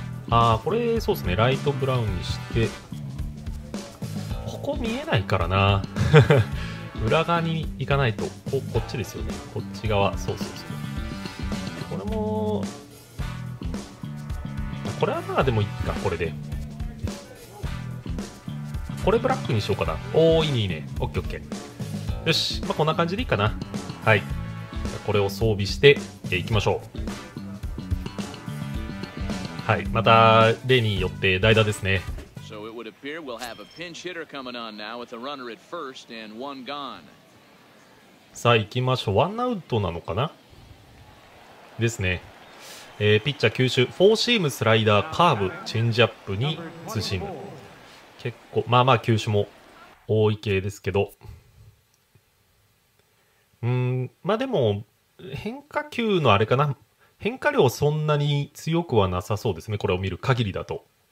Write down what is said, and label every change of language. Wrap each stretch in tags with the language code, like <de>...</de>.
<ja>あー、これそうですね、ライトブラウンにして、ここ見えないからな裏側に行かないと、こっちですよね、こっち側、そうそうそう、これもこれはまあでもいいか、これでこれブラックにしようかな。おー、いいね、いいね。オッケーオッケー。よし、まあ、こんな感じでいいかな。はい、これを装備していきましょう。はい、また例によって代打ですね。</ja> <en>So it would appear we'll have a pinch hitter coming on now with a runner at first and one gone.</en> <ja>さあ行きましょう。ワンアウトなのかなですね。ピッチャー球種フォーシーム、スライダー、カーブ、チェンジアップにツーシーム。結構まあまあ球種も多い系ですけど、まあでも変化球のあれかな、変化量そんなに強くはなさそうですね、これを見る限りだと。</ja>